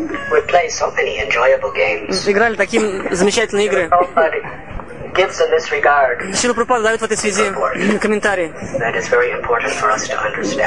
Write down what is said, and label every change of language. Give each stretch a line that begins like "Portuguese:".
English: would play so many enjoyable games.
Russian: Играли такие замечательные игры.
English: Gives in this regard.
Russian: Шрила Прабхупада дает в этой связи комментарий,
English: that is very important for us to understand.